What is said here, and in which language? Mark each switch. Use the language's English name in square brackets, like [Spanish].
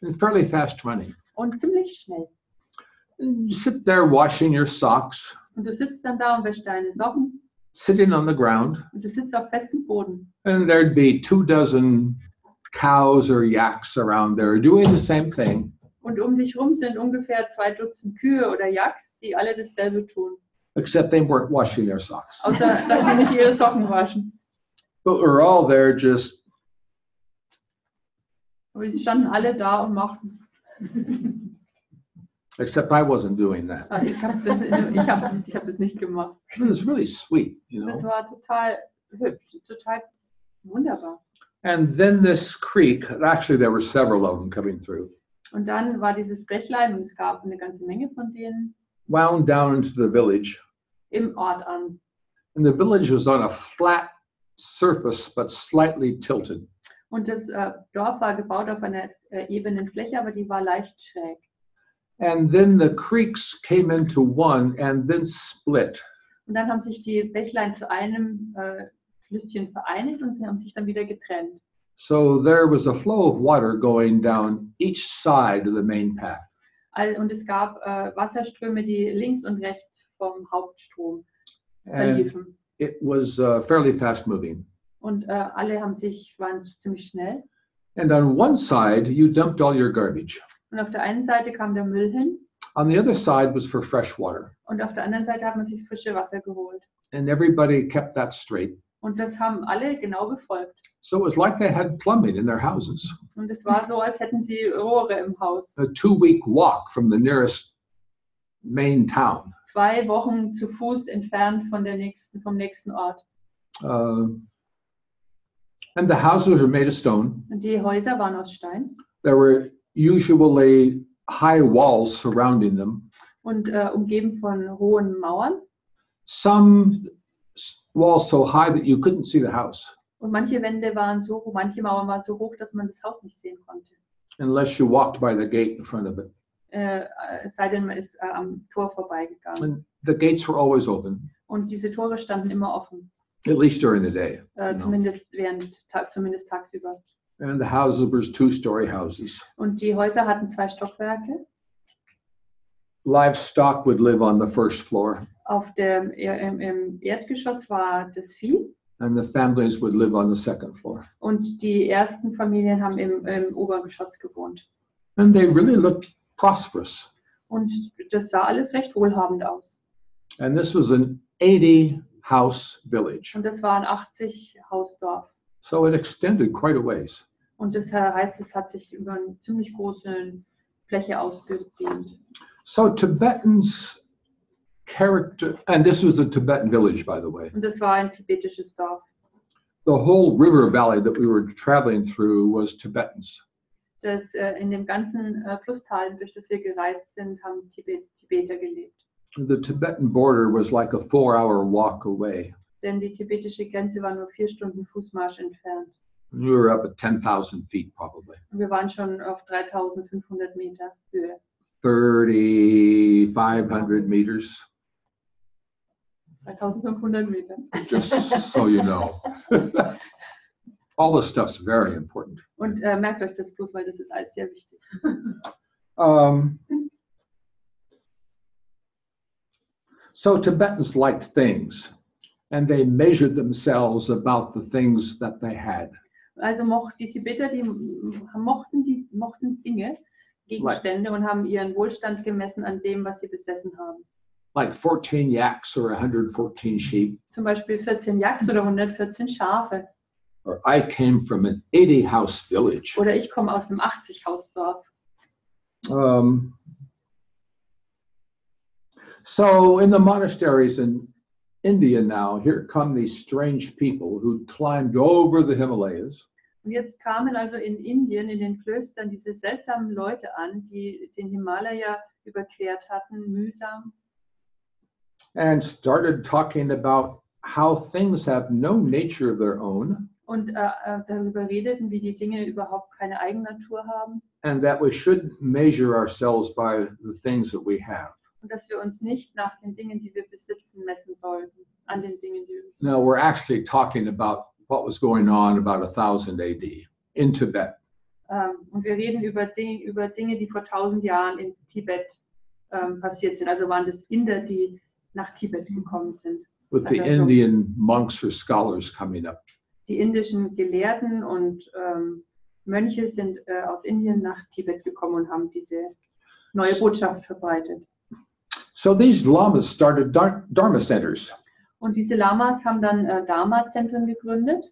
[English] And fairly fast running. [German] Und ziemlich schnell. [English] And you sit there washing your socks. [German] Und du sitzt dann da und wäschst deine Socken. [English] Sitting on the ground. [German] Und du sitzt auf festem Boden. [English] And there'd be two dozen cows or yaks around there doing the same thing. [German] Und um dich rum sind ungefähr zwei Dutzend Kühe oder Yaks, die alle dasselbe tun. [English] Except they weren't washing their socks. [German] Außer, dass sie nicht ihre Socken waschen. [English] But we're all there just. [German] Aber sie standen alle da und machten. [English] Except I wasn't doing that. [German] Ich hab das nicht gemacht. [English] It was really sweet, you know. [German] Das war total hübsch, total wunderbar. [English] And then this creek, actually there were several of them coming through. [German] Und dann war dieses Bächlein und es gab eine ganze Menge von denen. [English] Wound down into the village. [German] Im Ort an. [English] And the village was on a flat surface, but slightly tilted. [German] Und das Dorf war gebaut auf einer ebenen Fläche, aber die war leicht schräg. [English] And then the creeks came into one and then split. [German] Und dann haben sich die Bächlein zu einem Flüsschen vereinigt und sie haben sich dann wieder getrennt. [English] So there was a flow of water going down each side of the main path. [German] Und es gab Wasserströme, die links und rechts vom Hauptstrom verliefen. [English] And it was fairly fast moving. [German] Und alle haben sich waren ziemlich schnell. [English] And on one side you dumped all your garbage. [German] Und auf der einen Seite kam der Müll hin. [English] On the other side was for fresh water. [German] Und auf der anderen Seite hat man sich frische Wasser geholt. [English] And everybody kept that straight. [German] Und das haben alle genau befolgt. [English] So it was like they had plumbing in their houses. [German] Und es war so, als hätten sie Rohre im Haus. [English] A 2-week walk from the nearest main town. [German] 2 Wochen zu Fuß entfernt von der nächsten vom nächsten Ort. [English] And the houses were made of stone. [German] Und die Häuser waren aus Stein. [English] There were usually high walls surrounding them. [German] Und umgeben von hohen Mauern. [English] Some walls so high that you couldn't see the house. [German] Und manche Wände waren so hoch, manche Mauern waren so hoch, dass man das Haus nicht sehen konnte. [English] Unless you walked by the gate in front of it. [German] Es sei denn, man ist am Tor vorbeigegangen. [English] And the gates were always open. [German] Und diese Tore standen immer offen. [English] At least during the day. [German] Zumindest tagsüber. [English] And the houses were 2-story houses. [German] Und die Häuser hatten 2 Stockwerke. [English] Livestock would live on the first floor. [German] Auf dem im Erdgeschoss war das Vieh. [English] And the families would live on the second floor. [German] Und die ersten Familien haben im Obergeschoss gewohnt. [English] And they really looked prosperous. [German] Und das sah alles recht wohlhabend aus. [English] And this was an 80 house village. [German] Und das war ein 80 Hausdorf. [English] So it extended quite a ways. [German] Und das heißt, es hat sich über eine ziemlich große Fläche ausgedehnt. [English] So Tibetans character, and this was a Tibetan village, by the way. [German] Und das war ein tibetisches Dorf. [English] The whole river valley that we were traveling through was Tibetans. [German] Das in dem ganzen Flusstal, durch das wir gereist sind, haben Tibeter gelebt. [English] The Tibetan border was like a 4-hour walk away. [German] Denn die tibetische Grenze war nur 4 Stunden Fußmarsch entfernt. [English] We were up at 10,000 feet, probably. [German] Und wir waren schon auf 3,500 Meter Höhe. [English] 3,500 meters. [German] 3500 Meter. [English] Just so you know. All this stuff's very important. [German] Und merkt euch das bloß, weil das ist alles sehr wichtig. [English] So Tibetans liked things, and they measured themselves about the things that they had. [German] Also die Tibeter, die mochten Dinge, Gegenstände, like, und haben ihren Wohlstand gemessen an dem, was sie besessen haben. [English] Like 14 yaks or 114 sheep. [German] Zum Beispiel 14 yaks oder 114 Schafe. [English] Or I came from an 80-house village. [German] Oder ich komme aus einem 80-Hausdorf. [English] So in the monasteries in India now, here come these strange people who climbed over the Himalayas. [German] Und jetzt kamen also in Indien, in den Klöstern, diese seltsamen Leute an, die den Himalaya überquert hatten, mühsam. [English] And started talking about how things have no nature of their own. [German] Und darüber redeten, wie die Dinge überhaupt keine Eigennatur haben. [English] And that we should measure ourselves by the things that we have. [German] Und dass wir uns nicht nach den Dingen, die wir besitzen, messen sollten, an den Dingen, die wir besitzen. [English] No, we're actually talking about what was going on about 1000 AD in Tibet. [German] Und wir reden über Dinge, die vor 1000 Jahren in Tibet passiert sind. Also waren das Inder, die nach Tibet gekommen sind. [English] With the Indian monks or scholars coming up. [German] Die indischen Gelehrten und Mönche sind aus Indien nach Tibet gekommen und haben diese neue Botschaft verbreitet. [English] So these lamas started dharma centers. [German] Und diese Lamas haben dann Dharma-Zentren gegründet.